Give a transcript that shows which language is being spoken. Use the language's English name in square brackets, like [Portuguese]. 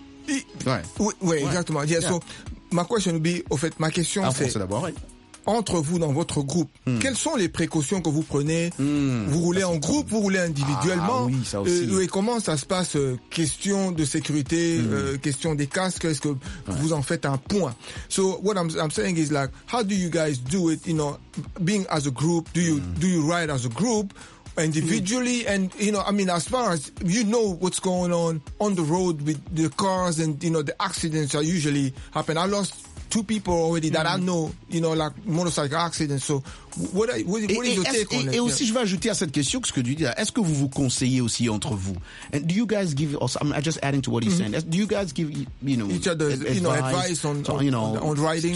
[French] Exactement. [English] Yeah. So, [French] ma question, c'est entre vous dans votre groupe, quelles sont les précautions que vous prenez? Vous roulez en groupe, vous roulez individuellement? Et comment ça se passe? Question de sécurité, question des casques, est-ce que vous en faites un point? [English] So, what I'm saying is like, how do you guys do it? You know, being as a group, do you ride as a group? individually, mm-hmm. and you know, I mean, as far as you know, what's going on the road with the cars and you know, the accidents that usually happen. I lost two people already that mm-hmm. I know, you know, like motorcycle accidents. So, what is your take on it? [French] Et aussi, je vais ajouter à cette question que ce que tu dis là. Est-ce que vous vous conseillez aussi entre vous? [English] And do you guys give us? I'm just adding to what he's mm-hmm. saying. Do you guys give you know each other advice, you know, advice on, so, you know, on riding?